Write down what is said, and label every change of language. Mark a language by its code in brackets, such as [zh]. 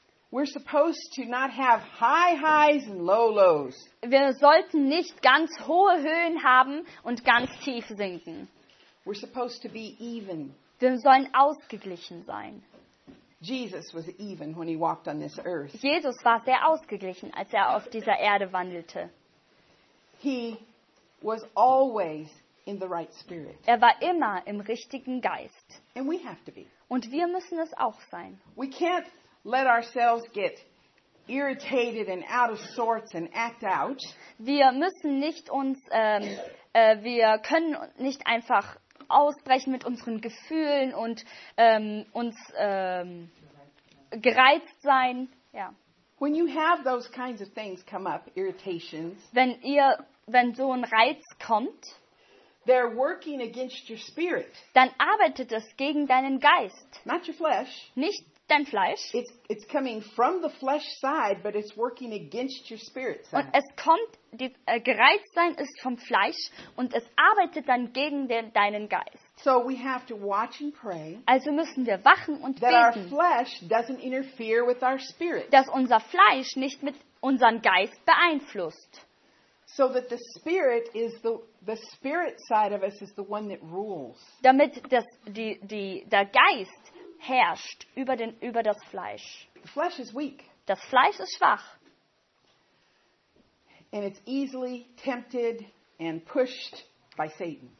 [en] We're supposed to not have high highs and low lows. [de] Wir sollten nicht ganz hohe Höhen haben und ganz tief sinken. [en] We're supposed to be even. [de] Wir sollen ausgeglichen sein. [en] Jesus was even when he walked on this earth. [de] Jesus war sehr ausgeglichen, als er auf dieser Erde wandelte. [en] He was always in the right spirit. [de] Er war immer im richtigen Geist. [en] And we have to be. [de] Und wir müssen es auch sein. [en] We can't let ourselves get irritated and out of sorts and act out. [de] Wir müssen nicht uns wir können nicht einfach ausbrechen mit unseren Gefühlen und gereizt sein. Ja. [en] When you have those kinds of things come up, irritations. [de] Wenn so ein Reiz kommt, [en] they're working against your spirit. [de] Dann arbeitet es gegen deinen Geist. [en] Not your flesh. [de] Nicht dein Fleisch. [en] It's coming from the flesh side, but it's working against your spirit side. [de] Und es kommt, gereizt sein ist vom Fleisch und es arbeitet dann gegen deinen Geist. [en] So we have to watch and pray. [de] Also müssen wir wachen und beten. [en] That our flesh doesn't interfere with our spirit. [de] Dass unser Fleisch nicht mit unserem Geist beeinflusst. [en] So that the spirit is the spirit side of us is the one that rules. [de] Damit der Geist herrscht über das Fleisch. [en] The flesh is weak. [de] Das Fleisch ist schwach. [en] And it's easily tempted and pushed by Satan.